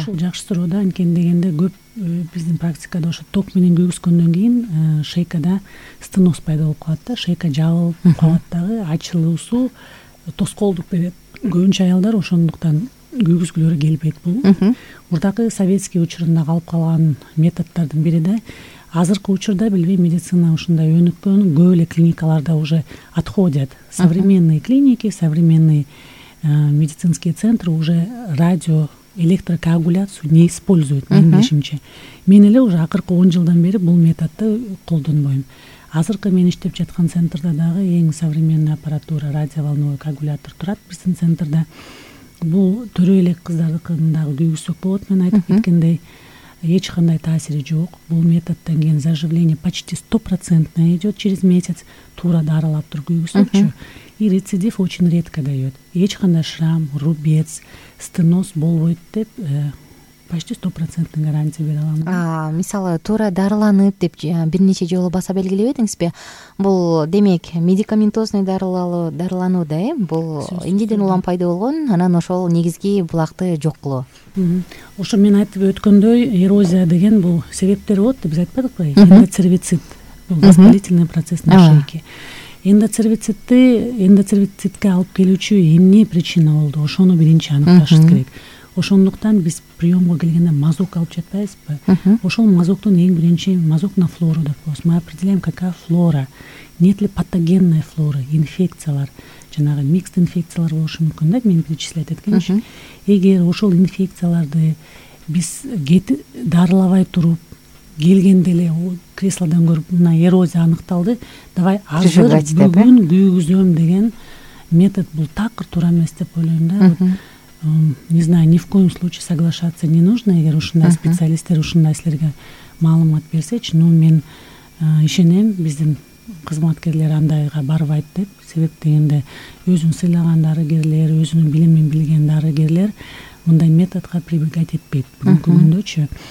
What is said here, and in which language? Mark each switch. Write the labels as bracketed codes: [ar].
[ky] Ушул жакшы суроо да, анткени дегенде көп биздин практикада ошо ток менен күйгүзгөндөн кийин шейкада стеноз пайда болуп калат да, шейка жабылып калат дагы, ачылуусу тоскоолдук берет. Көбүнчө аялдар ошондуктан күйгүзгүлөрү келбейт бул. Мурдакы советский учурунда калып калган методдордун бири да. Азыркы учурда билбейм, медицина ушундай өнүккөн, көп эле клиникаларда [ru] уже отходят. Современные клиники, современные медицинские центры уже радио, электрокоагуляцию не используют, [ky] менин билишимче. Мен эле уже акыркы 10 жылдан бери бул методду колдонбойм. Азыркы мен иштеп жаткан центрда дагы эң современный аппаратура, радиоволновой коагулятор турат биздин центрда. Бул төрөй эле кыздардыкын дагы күйгүзсөк болот, мен айтып кеткендей. Эч кандай таасири жок. Бул методдон кийин [ru] заживление почти 100% идет через месяц, [ky] туура дарылап туруп күйгүзүпчү. [ru] И рецидив очень редко дает. [ky] Эч кандай шрам, рубец, стеноз болбойт деп почти 100% гарантия бере алам. Мисалы туура дарыланып деп бир нече жолу баса белгилебедиңизби? Бул демек медикаментозный дарылануу да, э? Бул эмнеден улам пайда болгон, анан ошол негизги булакты жок кылуу. Ошо мен айтып өткөндөй, эрозия деген бул себептер болот деп биз айтпадыкпы? [ru] Эндоцервицит, бул воспалительный процесс на шейке. [ky] Эндоцервицитке алып келүүчү эмне причина болду? Ошону биринчи аныкташыбыз керек. Ошондуктан биз приемго келгенде мазок алып жатпайбызбы? Ошол мазоктун эң биринчи мазок на флору деп коебуз. [ru] Мы определяем, какая флора, нет ли патогенная флора, [ky] инфекциялар, жанагы микс инфекциялар болушу мүмкүн да, мен перечислять эткенчи. Эгер ошол инфекцияларды биз дарылабай туруп келгенде эле креслодон көрүп мына эрозия аныкталды, давай азыр бүгүн күйгүзөм деген метод бул такыр туура эмес деп ойлойм да. [ru] Не знаю, ни в коем случае соглашаться не нужно, [ky] эгер ушундай специалисттер ушундай силерге маалымат берсечи, но мен ишенем, биздин кызматкерлер андайга барбайт деп. Себеп дегенде өзүн сыйлаган дарыгерлер, өзүнүн билимин билген дарыгерлер мындай методко прибегать этпейт бүгүнкү күндөчү.